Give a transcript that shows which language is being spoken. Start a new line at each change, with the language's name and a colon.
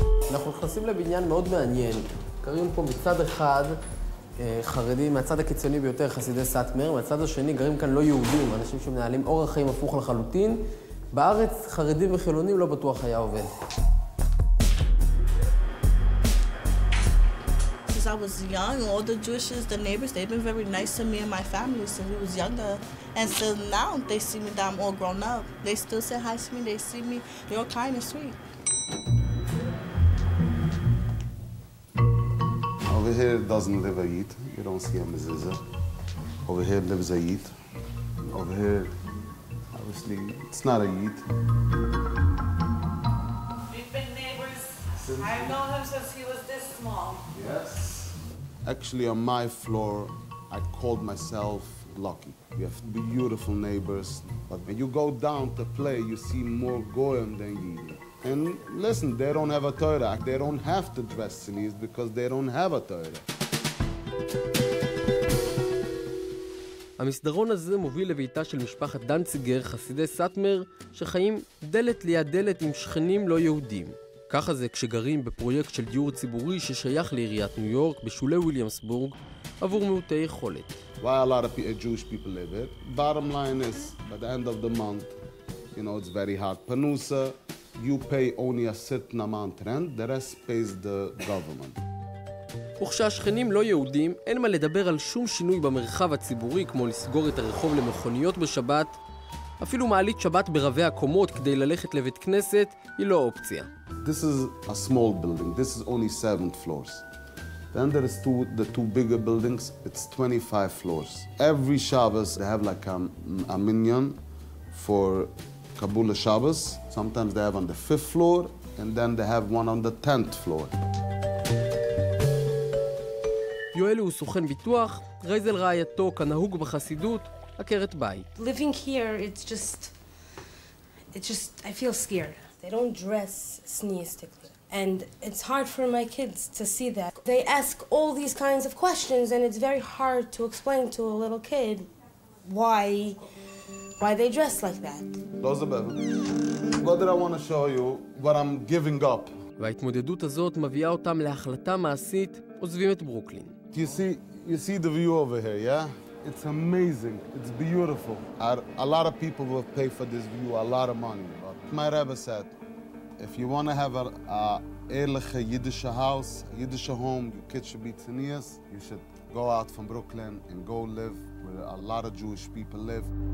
Hebrew: אנחנו נכנסים לבניין מאוד מעניין. קרים פה מצד אחד חרדים, מהצד הקיצוני ביותר, חסידי סאטמר, מהצד השני גרים כאן לא יהודים, אנשים שמנהלים אורח חיים הפוך לחלוטין. בארץ חרדים וחילונים לא בטוח היה עובד.
English: Since I was young, all the Jewishes, the neighbors, they've been very nice to me and my family since we was younger. And still now, they see me that I'm all grown up. They still say hi to me, they see me, they're all kind and sweet. Over here doesn't live a Yid. You don't see a Mezuzah. Over here lives a Yid. Over here, obviously, it's not a Yid. I've known him since he was this small. Yes. Actually, on my floor, I called myself lucky. We have beautiful neighbors. But when you go down to play, you see more goyim than yidden. And listen, they don't have a Torah. They don't have to dress sinis because they don't have a Torah.
Hebrew: המסדרון הזה מוביל לביתה של משפחת דנציגר, חסידי סאטמר, שחיים דלת ליד דלת עם שכנים לא יהודים. ככה זה כשגרים בפרויקט של דיור ציבורי ששייך לעיריית ניו יורק בשולי וויליאמסבורג עבור מעוטי יכולת.
English: Why a lot of Jewish people live it? Bottom line is, by the end of the month, you know, it's very hard. Panusa, you pay only a certain amount rent, the rest pays the government.
Hebrew: וכשהשכנים לא יהודים, אין מה לדבר על שום שינוי במרחב הציבורי, כמו לסגור את הרחוב למכוניות בשבת. אפילו מעלית שבת ברבי הקומות כדי ללכת לבית כנסת היא לא אופציה.
English: This is a small building. This is only 7 floors. Then there is the two bigger buildings. It's 25 floors. Every Shabbos they have like a minyan for Kabbalah Shabbos. Sometimes they have on the 5th floor and then they have one on the 10th floor.
Hebrew: יואל הוא סוכן ביטוח, רייזל רעייתו כנהוג בחסידות, עקרת בית.
English: Living here, it's just, I feel scared. They don't dress sneistically. And it's hard for my kids to see that. They ask all these kinds of questions, and it's very hard to explain to a little kid why they dress like that. What did I want to show you? What I'm giving up.
Hebrew: וההתמודדות הזאת מביאה אותם להחלטה מעשית, עוזבים את ברוקלין.
English: You see the view over here, yeah? It's amazing. It's beautiful. A lot of people will pay for this view, a lot of money. But my rabbi said, if you want to have a ehrliche Yiddish house, a Yiddish home, your kids should be tzinias, you should go out from Brooklyn and go live where a lot of Jewish people live.